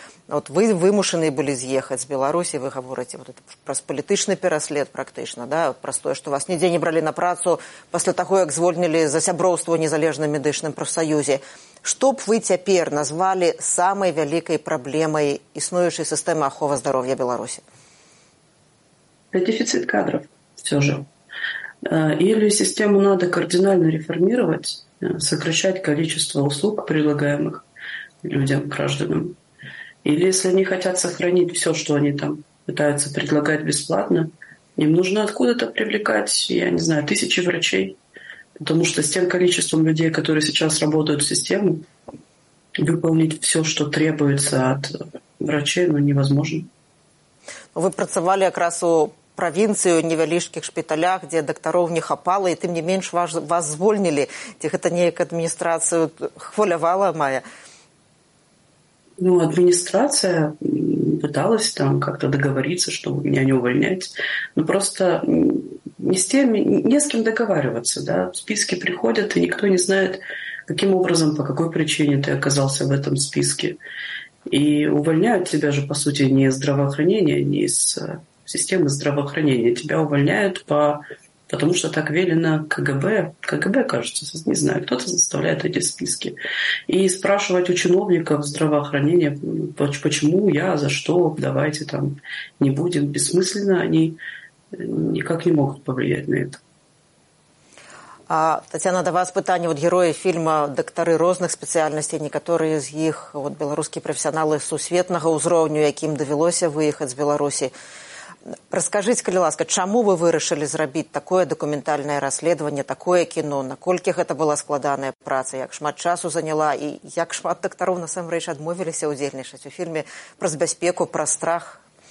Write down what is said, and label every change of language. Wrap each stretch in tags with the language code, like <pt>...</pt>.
<be>Вот, вы вымушаны былі з'ехаць з Беларусі, вы гаворыце вот, праз палітычны пераслед практычна, да? Праз тое, што вас нідзе не бралі на працу пасля таго, як звольнілі за сяброўства ў незалежным медычным прафсаюзе. Што б вы цяпер назвалі самай вялікай праблемай існуючай сістэмы аховы здароўя Беларусі?</be> <ru>Это дефицит кадров все же. Или систему надо кардинально реформировать, сокращать количество услуг, предлагаемых людям, гражданам. Или если они хотят сохранить все, что они там пытаются предлагать бесплатно, им нужно откуда-то привлекать, я не знаю, тысячи врачей. Потому что с тем количеством людей, которые сейчас работают в систему, выполнить все, что требуется от врачей, ну, невозможно.</ru> <be>Вы працавалі якраз у правінцыі, у невялічкіх шпіталях, дзе дактароў не хапала, і тым не менш вас звольнілі. Ці гэта неяк адміністрацыю хвалявала, Майя?</be> <ru>Ну,</ru> <be>адміністрацыя пыталась</be> <ru>там как-то договориться, что меня не увольнять. Ну, просто не с теми, не с кем договариваться, да. Списки приходят, и никто не знает, каким образом, по какой причине ты оказался в этом списке. И увольняют тебя же, по сути, не из здравоохранения, не из системы здравоохранения. Тебя увольняют потому, что так велено КГБ. КГБ, кажется, не знаю, кто-то заставляет эти списки. И спрашивать у чиновников здравоохранения, почему я, за что, давайте там не будем. Бессмысленно, они никак не могут повлиять на это.</ru> <be>А Таццяна, да вас пытанне, вот героі фільма дактары розных спецыяльнасцей, некаторыя з іх вот беларускія прафесіяналы сусветнага ўзроўню, якім давялося выехаць з Беларусі.</be> <ru>Расскажите,</ru> <be>калі ласка, чаму вы вырашылі зрабіць такое дакументальнае расследаванне, такое кіно, наколькі гэта была складаная праца, як шмат часу заняла і як шмат дактароў насамрэч адмовіліся ўдзельнічаць у фільме пра бяспеку, пра страх?</be>